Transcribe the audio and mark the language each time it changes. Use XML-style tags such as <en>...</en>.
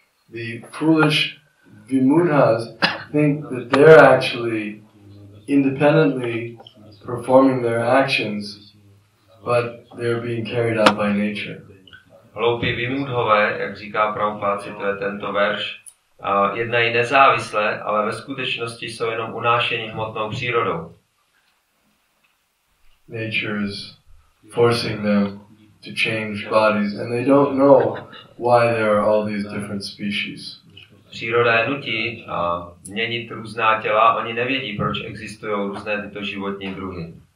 <en>The foolish vimudhas think that they're actually independently performing their actions, but they're being carried out by nature.</en> <cs>Hloupí vimudhové, jak říká Prabhupáda, to je tento verš, jednají nezávisle, ale ve skutečnosti jsou jenom unášení hmotnou přírodou.</cs> <en>Nature is forcing them to change bodies, and they don't know why there are all these different species.</en> <cs>Příroda je nutí měnit různá těla, oni nevědí, proč existují různé tyto životní druhy.</cs>